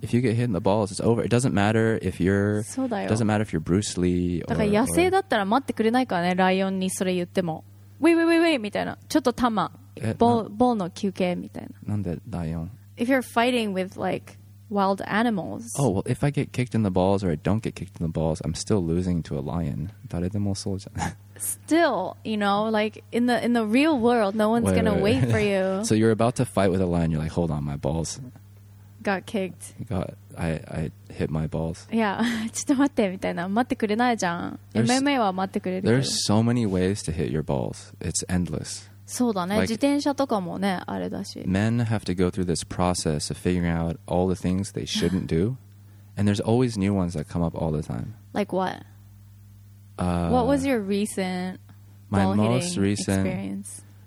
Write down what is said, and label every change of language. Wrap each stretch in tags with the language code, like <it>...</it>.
<en>If you get hit in the balls, it's over. It doesn't matter if you're,</en> <ja>そうだよ。</ja> <en>doesn't matter if you're Bruce Lee or,</en> <ja>だから野生だったら待ってくれないからね、ライオンにそれ言っても。</ja> <en>Wait,</en> <ja>みたいな。ちょっとタマ、ボーの休憩みたいな。なんでライオン?</ja> <en>If you're fighting with like,wild animals. Oh, well, if I get kicked in the balls or I don't get kicked in the balls, I'm still losing to a lion. Still, you know, like in the real world, no one's going to wait for you. So you're about to fight with a lion. You're like, hold on, my balls. Got kicked. I hit my balls. Yeah.</en> <ja>ちょっと待ってみたいな。待ってくれないじゃん。 MMA は待ってくれる。</ja> <en>There's so many ways to hit your balls. It's endless.</en> <ja>そうだね、like, 自転車とかもね、あれだし。</ja> <en>Men have to go through this process of figuring out all the things they shouldn't do, and there's always new ones that come up all the time. Like what? What was your recent ball hitting experience?</en>